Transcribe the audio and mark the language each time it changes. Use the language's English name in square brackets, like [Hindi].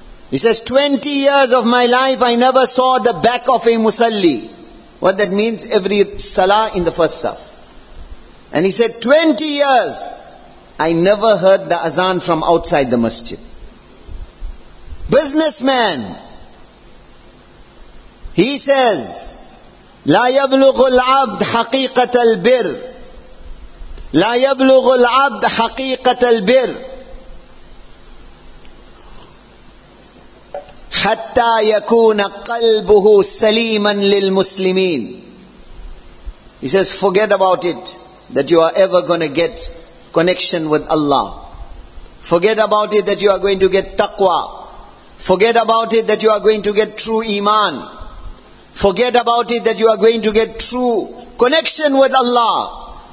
[English] He says, 20 years of my life, I never saw the back of a musalli. What that means? Every salah in the first saf. And he said, 20 years, I never heard the azan from outside the masjid. Businessman. He says, [Arabic] لا يبلغ العبد حقيقة البر. لا يبلغ العبد حقيقة البر. حتى يكون قلبه سليما للمسلمين. [English] He says, forget about it, that you are ever going to get connection with Allah. Forget about it that you are going to get taqwa. Forget about it that you are going to get true iman. Forget about it that you are going to get true connection with Allah.